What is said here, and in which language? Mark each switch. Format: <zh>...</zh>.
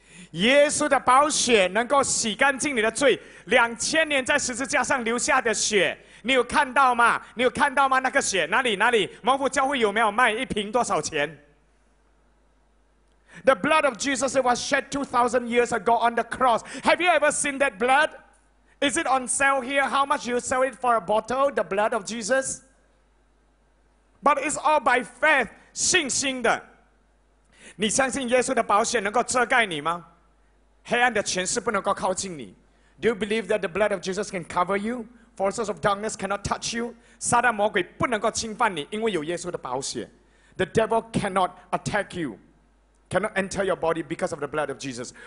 <zh>耶稣的宝血能够洗干净你的罪，两千年在十字架上流下的血，你有看到吗？你有看到吗？那个血哪里哪里？蒙福教会有没有卖一瓶多少钱？</zh> <en>The blood of Jesus it was shed 2,000 years ago on the cross. Have you ever seen that blood? Is it on sale here? How much you sell it for a bottle, the blood of Jesus? But it's all by faith,</en> <zh>信心的。你相信耶稣的宝血能够遮盖你吗？黑暗的权势不能够靠近你。</zh> <en>Do you believe that the blood of Jesus can cover you? Forces of darkness cannot touch you?</en> <zh>撒旦魔鬼不能够侵犯你，因为有耶稣的宝血。</zh> <en>The devil cannot attack you. Cannot enter your body because of the blood of Jesus.</en>